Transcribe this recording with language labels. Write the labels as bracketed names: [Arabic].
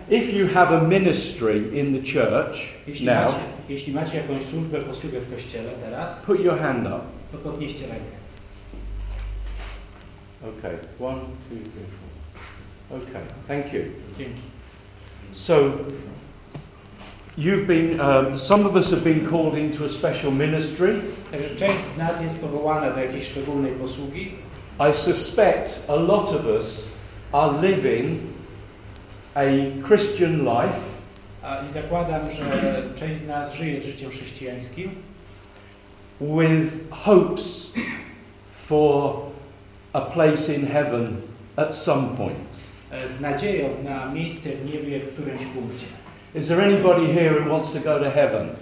[English] If you have a ministry in the church, [Polish] jeśli macie jakąś służbę, posługę w kościele teraz, [English] put your hand up. [Polish] To podnieście rękę. [English] Okay, 1, 2, 3. Okay, thank you. [Polish] Dzięki. [English] So, you've been, some of us have been called into a special ministry. [Polish] Także część z nas jest powołana do jakiejś szczególnej posługi. [English] I suspect a lot of us are living a Christian life. [Polish] I zakładam, że część z nas żyje życiem chrześcijańskim. [English] With hopes for a place in heaven at some point. [Polish] Z nadzieją na miejsce w niebie w którymś punkcie. [English] Is there anybody here who wants to go to heaven?